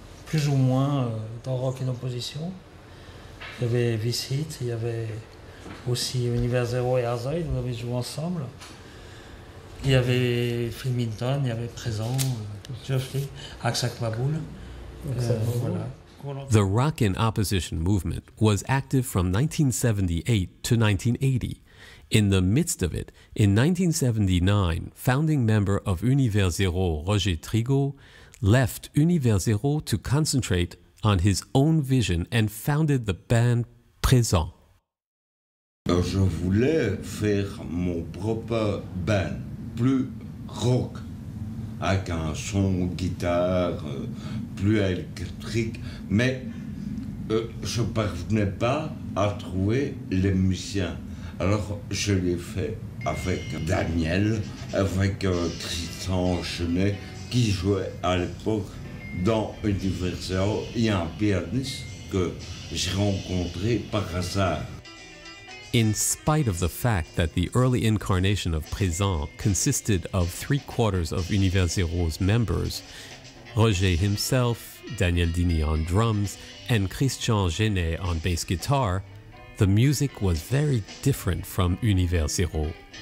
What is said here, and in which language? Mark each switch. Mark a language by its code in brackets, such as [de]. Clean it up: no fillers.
[fr] plus ou moins dans Rock in Opposition. Il y avait Visit, il y avait aussi Univers Zero et Arzoid, on avait joué ensemble. Il y avait Phil Minton, il y avait Prezon, Geoffrey, Aksak Maboul. [en] The Rock in Opposition movement was active from 1978 to 1980. In the midst of it, in 1979, founding member of Univers Zero, Roger Trigo, left Univers Zero to concentrate on his own vision and founded the band Prezon. [fr] Je voulais faire mon propre band, plus rock, avec un son guitare plus électrique, mais je parvenais pas à trouver les musiciens. Alors je l'ai fait avec Daniel, avec Christian Chenet, qui jouait à l'époque dans Univers Zero. Il y a un pianiste que j'ai rencontré par hasard. [en] In spite of the fact that the early incarnation of Prezon consisted of three quarters of Univers Zero's members, Roger himself, Daniel Denis on drums, and Christian Genet on bass guitar, the music was very different from Univers Zero.